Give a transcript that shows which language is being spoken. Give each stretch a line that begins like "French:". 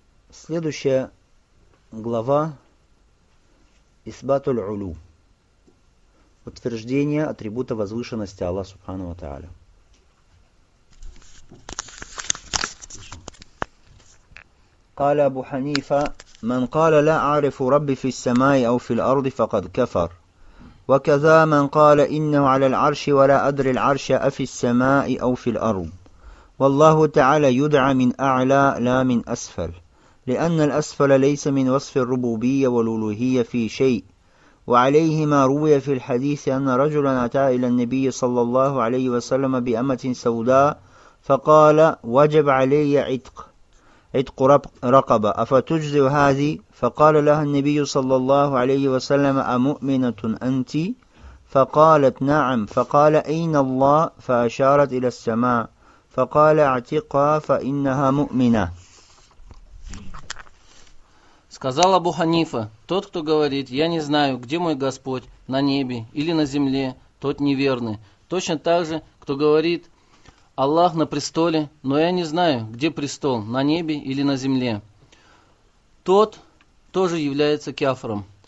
Russian: Следующая глава — Исбатуль Улу. Утверждение атрибута возвышенности Аллаха Субхану ва Тааля.
Arabic: قال أبو حنيفة: من قال لا أعرف ربي في السماء أو في الأرض فقد كفر، وكذا من قال إنه على العرش ولا أدري العرش أفي السماء أو في الأرض، والله تعالى يدعى من أعلى لا من أسفل، لأن الأسفل ليس من وصف الربوبية والألوهية في شيء. وعليه ما روي في الحديث أن رجلا أتى إلى النبي صلى الله عليه وسلم بأمة سوداء فقال: وجب علي عتق عتق رقبة، أفتجزئ هذه؟ فقال لها النبي صلى الله عليه وسلم: أمؤمنة أنت؟ فقالت: نعم. فقال: أين الله؟ فأشارت إلى السماء، فقال: اعتقها فإنها مؤمنة.
Russian: Сказал Абу Ханифа: тот, кто говорит: я не знаю, где мой Господь, на небе или на земле, тот неверный. Точно так же, кто говорит: Аллах на престоле, но я не знаю, где престол, на небе или на земле, тот тоже является кяфром.